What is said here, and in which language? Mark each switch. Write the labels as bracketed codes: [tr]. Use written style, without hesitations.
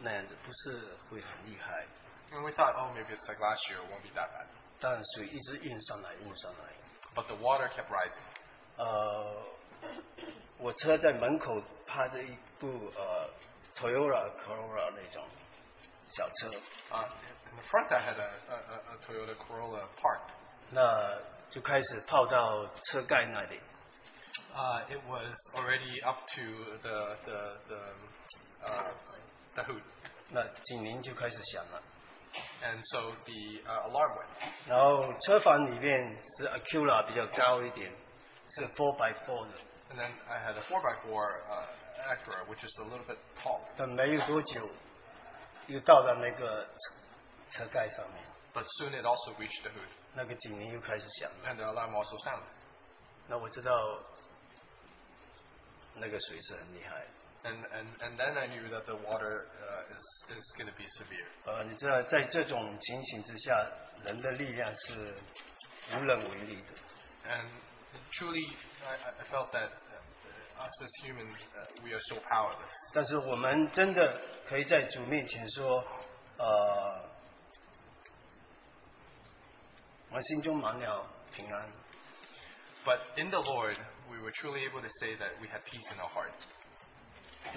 [zh] 那慢慢我们以为大概像去年那样子，不是会很厉害。 [en] And we thought, oh, maybe it's like last year, it won't be that bad. [zh] 但水一直运上来，运上来。 [en] But the water kept rising. [zh] 我车在门口趴着一部 Toyota Corolla 那种小车。 [en] In the front, I had a Toyota Corolla parked. [zh] 那就开始泡到车盖那里。 [en] It was already up to the hood. [zh] 那警铃就开始响了。 [en] And so the alarm went. [zh] 然后车房里面是 Acura 比较高一点，是 4x4的。 [en] And then I had a 4x4 Acura, which is a little bit tall. [zh] 但没有多久，又到了那个车盖上面。 [en] But soon it also reached the hood. [zh] 那个警铃又开始响了。 [en] And the alarm also sounded. [zh] 那我知道那个水是很厉害。 [en] And then I knew that the water is going to be severe. [zh] 你知道，在这种情形之下，人的力量是无能为力的。 [en] And truly, I felt that us as humans, we are so powerless. [zh] 但是我们真的可以在主面前说, 我心中满了, [en] but in the Lord, we were truly able to say that we had peace in our heart.